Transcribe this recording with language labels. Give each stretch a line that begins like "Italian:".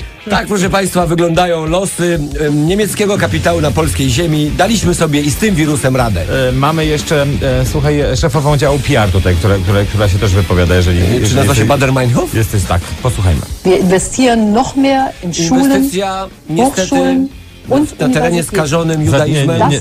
Polish: Tak, proszę państwa, wyglądają losy niemieckiego kapitału na polskiej ziemi. Daliśmy sobie i z tym wirusem radę. Mamy jeszcze, słuchaj, szefową działu PR tutaj, która się też wypowiada, jeżeli... Czy nazywa się Bader-Meinhof? Jesteś tak, posłuchajmy.
German: Wir investieren noch mehr in Schulen,
Polish: inwestycja, niestety, na terenie skażonym judaizmem.